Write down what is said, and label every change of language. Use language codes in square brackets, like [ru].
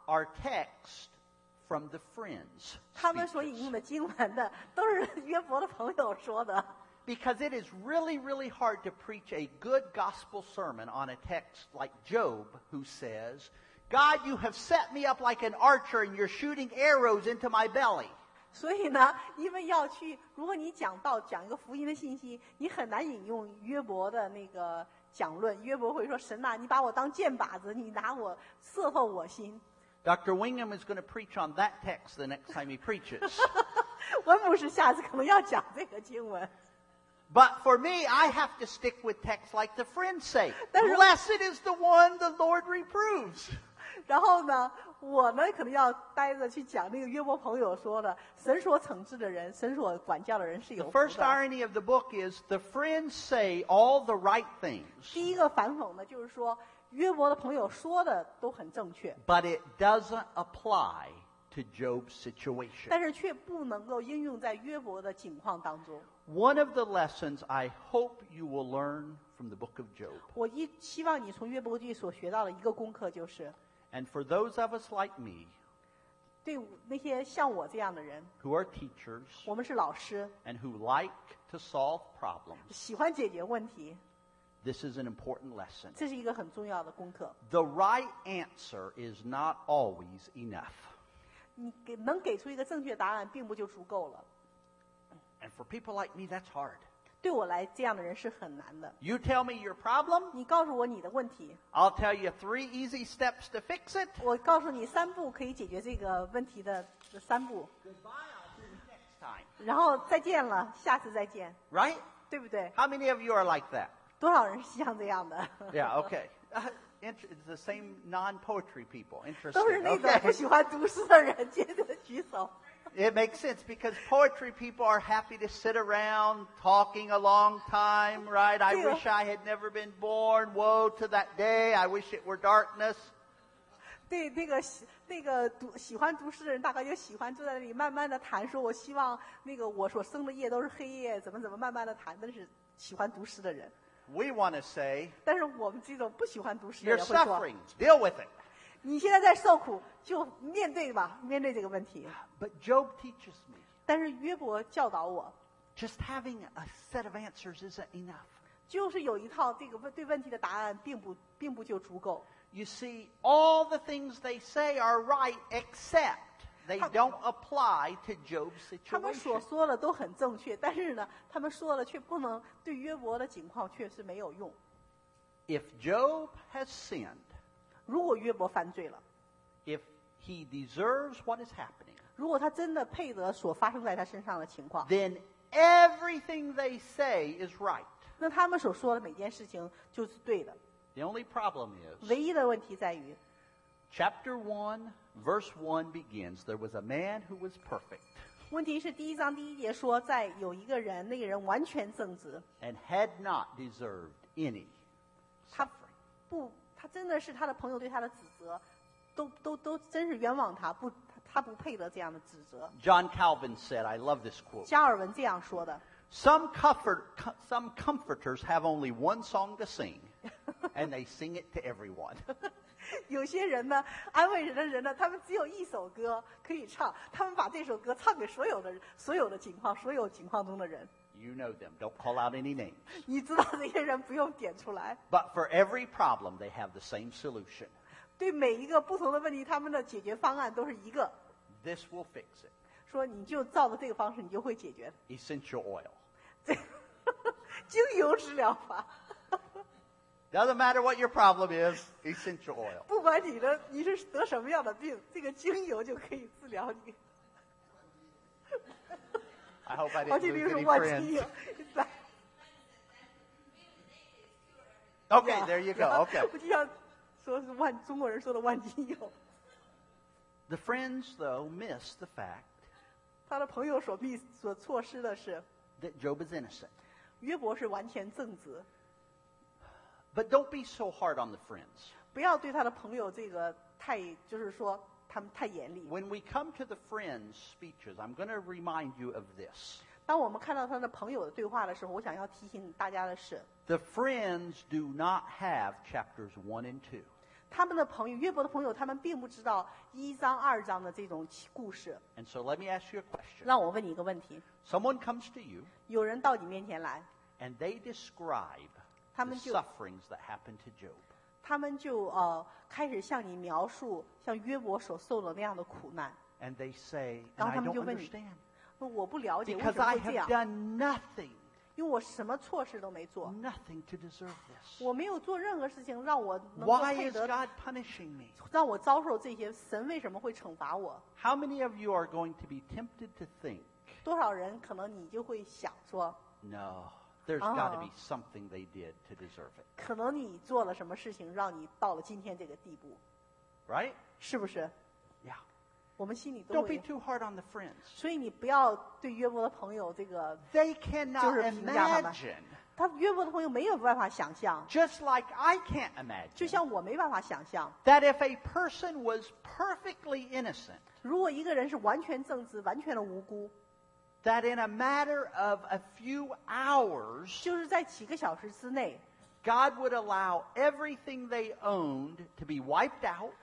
[en] are text from the friends. [zh] 他们所引用的经文的都是约伯的朋友说的。 [en] Because it is really, really hard to preach a good gospel sermon on a text like Job, who says, God, you have set me up like an archer and you're shooting arrows into my belly. [zh] 所以呢，因为要去，如果你讲到讲一个福音的信息，你很难引用约伯的那个讲论。约伯会说，神啊，你把我当箭靶子，你拿我射透我心。 [en] Dr. Wingham is going to preach on that text the next time he preaches. [zh] 文牧师下次可能要讲这个经文。 [en] But for me, I have to stick with texts like the friends say. Blessed is the one the Lord reproves. [zh] 然后呢，我呢可能要待着去讲那个约伯朋友说的，神所惩治的人，神所管教的人是有福的。 [en] The first irony of the book is the friends say all the right things. [zh] 第一个反讽呢，就是说约伯的朋友说的都很正确。 [en] But it doesn't apply. To Job's situation. [zh] 但是却不能够应用在约伯的境况当中。 [en] One of the lessons I hope you will learn from the book of Job. [zh] 我希望你从约伯记所学到的一个功课就是。 [en] And for those of us like me. [zh] 对那些像我这样的人。 [en] Who are teachers. [zh] 我们是老师。 [en] And who like to solve problems. [zh] 喜欢解决问题。 [en] This is an important lesson. [zh] 这是一个很重要的功课。 [en] The right answer is not always enough. [zh] 你给能给出一个正确答案并不就足够了。 [en] And for people like me, that's hard. [zh] 对我来这样的人是很难的。 [en] You tell me your problem. [zh] 你告诉我你的问题。 [en] I'll tell you 3 easy steps to fix it. [zh] 我告诉你3步可以解决这个问题的3步。 [en] Goodbye, next time. [zh] 然后再见了，下次再见。 [en] Right? [zh] 对不对 [en] ？How many of you are like that? [zh] 多少人是像这样的 [en] ？Yeah, okay. It's the same non-poetry people. Interesting. [zh] 都是那个不喜欢读诗的人，接着举手。 [en] It makes sense because poetry people are happy to sit around talking a long time, right? I wish I had never been born. Woe to that day. I wish it were darkness. [zh] 对，那个读喜欢读诗的人，大概就喜欢坐在那里慢慢的谈，说我希望那个我所生的夜都是黑夜，怎么慢慢的谈，那是喜欢读诗的人。 [en] We want to say, [zh] 但是我们这种不喜欢读诗的人会说 [en] You're suffering, deal with it. [zh] 你现在在受苦，就面对吧，面对这个问题。 [en] But Job teaches me. [zh] 但是约伯教导我。 [en] Just having a set of answers isn't enough. [zh] 就是有一套这个对问题的答案并不就足够。 [en] You see, all the things they say are right, except they don't apply to Job's situation. [zh] 他们所说的都很正确，但是呢，他们说的却不能对约伯的情况确实没有用。 [en] If Job has sinned, [zh] 如果约伯犯罪了 [en] ，if he deserves what is happening, [zh] 如果他真的配得所发生在他身上的情况 [en] ，then everything they say is right. [zh] 那他们所说的每件事情就是对的。 [en] The only problem is, [zh] 唯一的问题在于 [en] chapter 1, verse 1 begins, there was a man who was perfect. [zh] 问题是第一章第一节说在有一个人，那个人完全正直。 [en] And had not deserved any suffering. [zh] 他真的是他的朋友对他的指责，都真是冤枉他，他不配得这样的指责。 [en] John Calvin said, I love this quote. [zh] 加尔文这样说的。 [en] Some comforters have only one song to sing. And they sing it to everyone. [zh] 有些人呢，安慰人的人呢，他们只有一首歌可以唱，他们把这首歌唱给所有情况中的人。 [en] You know them. Don't call out any names. [zh] 你知道这些人不用点出来。 [en] But for every problem, they have the same solution. [zh] 对每一个不同的问题，他们的解决方案都是一个。 [en] This will fix it. [zh] 说你就照着这个方式，你就会解决。 [en] Essential oil. [zh] 精油治疗法。 [en] Doesn't matter what your problem is, essential oil. [zh] 不管你是得什么样的病，这个精油就可以治疗你。 [en] I hope I didn't lose any friends. [zh] 黄金精油是万金油。 [en] Okay, there you go. Okay. [zh] 我就想说是万中国人说的万金油。 [en] The friends, though, miss the fact. [zh] 他的朋友所错失的是 [en] that Job is innocent. [zh] 约伯是完全正直。 [en] But don't be so hard on the friends. [zh] 不要对他的朋友这个太，就是说他们太严厉。 [en] When we come to the friends' speeches, I'm going to remind you of this. [zh] 当我们看到他的朋友的对话的时候，我想要提醒大家的是 [en] ，The friends do not have chapters 1 and 2. [zh] 他们的朋友，约伯的朋友，他们并不知道一章、二章的这种故事。 [en] And so let me ask you a question. [zh] 让我问你一个问题。 [en] Someone comes to you. [zh] 有人到你面前来。 [en] And they describe. The sufferings that happened to Job. [zh] 他们就开始向你描述像约伯所受的那样的苦难。 [en] And they say, [zh] 然后他们就问你，我不了解为什么会这样。 [en] Because I have done nothing. [zh] 因为我什么错事都没做。 [en] Nothing to deserve this. [zh] 我没有做任何事情让我能够配得。 [en] Why is God punishing me? [zh] 让我遭受这些，神为什么会惩罚我？ [en] How many of you are going to be tempted to think? [zh] 多少人可能你就会想说 [en] No. There's got to be something they did to deserve it. [zh] 可能你做了什么事情让你到了今天这个地步。 [en] Right? [zh] 是不是 [en] Yeah. [zh] 我们心里都会。 [en] Don't be too hard on the friends. [zh] 所以你不要对约伯的朋友这个。 [en] They cannot imagine. [zh] 他约伯的朋友没有办法想象。 [en] Just like I can't imagine. [zh] 就像我没办法想象。 [en] That if a person was perfectly innocent. [zh] 如果一个人是完全正直完全的无辜。 [en] That in a matter of a few hours, [zh] 就是在几个小时之内 [en] God would allow everything they owned to be wiped out.